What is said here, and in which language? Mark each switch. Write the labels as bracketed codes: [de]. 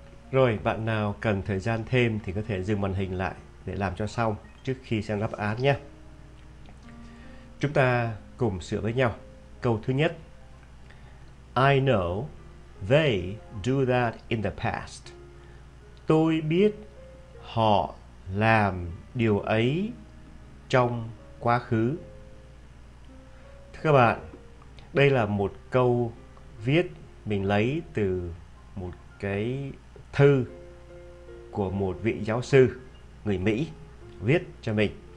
[vi] Rồi, bạn nào cần thời gian thêm thì có thể dừng màn hình lại để làm cho xong trước khi xem đáp án nhé. Chúng ta cùng sửa với nhau. Câu thứ nhất. [en] I know they do that in the past. [vi] Tôi biết họ làm điều ấy trong quá khứ. Thưa các bạn, đây là một câu viết mình lấy từ một cái thư của một vị giáo sư người Mỹ viết cho mình.